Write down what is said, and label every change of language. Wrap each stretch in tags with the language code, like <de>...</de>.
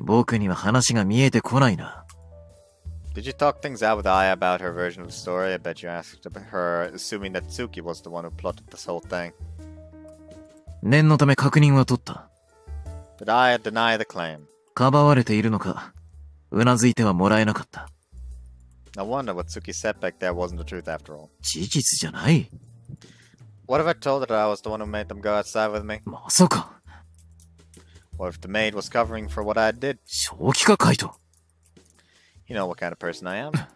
<ja>僕には話が見えてこないな。</ja> <en>Did you talk things out with Aya about her version of the story? I bet you asked her, assuming that Tsuki was the one who plotted this whole thing.</en> <ja>念のため確認は取った。</ja> <en>But I deny the claim.</en> <ja>かばわれているのか、うなずいてはもらえなかった。</ja> <en>I wonder what Tsuki said back there wasn't the truth after all.</en> <ja>事実じゃない?</ja> <en>What if I told her that I was the one who made them go outside with me?</en> <ja>まさか!</ja> <en>What if the maid was covering for what I did?</en> <ja>正気か、カイト!</ja> <en>You know what kind of person I am.</en>